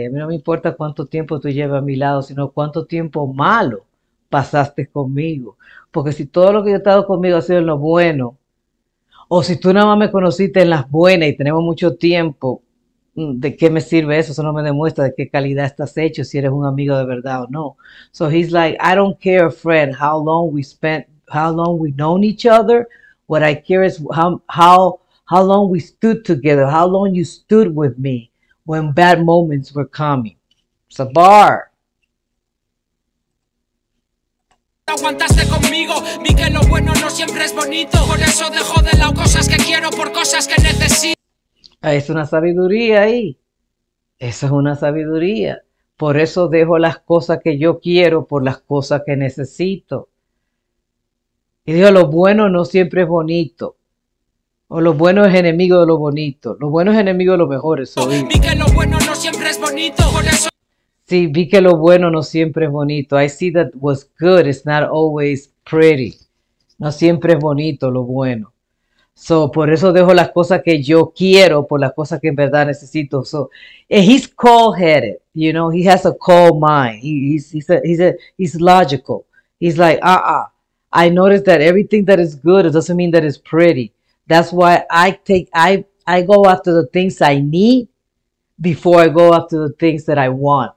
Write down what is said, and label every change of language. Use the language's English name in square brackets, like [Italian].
[Spanish] Y a mí no me importa cuánto tiempo tú lleves a mi lado, sino cuánto tiempo malo pasaste conmigo. Porque si todo lo que yo he estado conmigo ha sido en lo bueno, o si tú nada más me conociste en las buenas y tenemos mucho tiempo, ¿de qué me sirve eso? Eso no me demuestra de qué calidad estás hecho, si eres un amigo de verdad o no. [English] So he's like, I don't care, friend, how long we known each other. What I care is how long we stood together, how long you stood with me when bad moments were coming. It's a bar. [Spanish] Aguantaste conmigo, vi que lo bueno no siempre es bonito. Por eso dejo de lado cosas que quiero por cosas que necesito. Es una sabiduría ahí. Esa es una sabiduría. Por eso dejo las cosas que yo quiero por las cosas que necesito. Y digo, lo bueno no siempre es bonito. O lo bueno es enemigo de lo bonito. Lo bueno es enemigo de lo mejor, eso vi. Vi que lo bueno no siempre es bonito. Por eso... Sí, vi que lo bueno no siempre es bonito. [English] I see that what's good is not always pretty. [Spanish] No siempre es bonito lo bueno. So, por eso dejo las cosas que yo quiero por las cosas que en verdad necesito. [English] So, and he's cold-headed, you know, he has a cold mind. He's logical. He's like, I notice that everything that is good, it doesn't mean that it's pretty. That's why I go after the things I need before I go after the things that I want.